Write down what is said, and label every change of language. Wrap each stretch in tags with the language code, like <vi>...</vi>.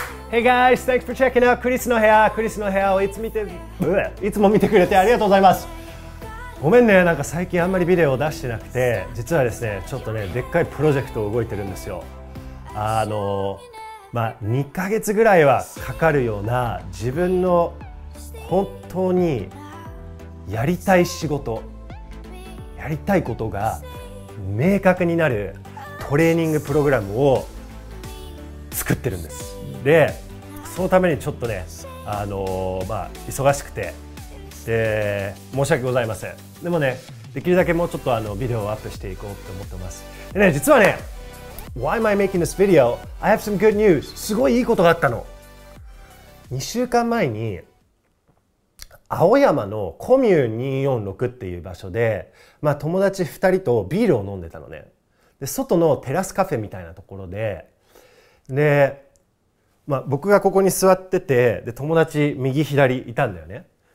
<en>Hey guys, thanks for checking out クリスの部屋。</en> <ja>クリスの部屋をいつも見てくれてありがとうございます。ごめんね、なんか最近あんまりビデオを出してなくて、実はですね、ちょっとね、でっかいプロジェクト動いてるんですよ。 2ヶ月ぐらいはかかるような、自分の本当にやりたい仕事、やりたいことが明確になるトレーニングプログラムを作ってるんです。で、そのためにちょっとね、忙しくて、で、申し訳ございません。でもね、できるだけもうちょっとビデオをアップしていこうと思ってます。でね、実はね、</ja> <en>Why am I making this video? I have some good news.</en> <ja>すごいいいことがあったの。2週間前に青山のコミューン246っていう場所で、友達2人とビールを飲んでたのね。で、外のテラスカフェみたいなところで、で、僕がここに座ってて、で、友達右左いたんだよね。</ja>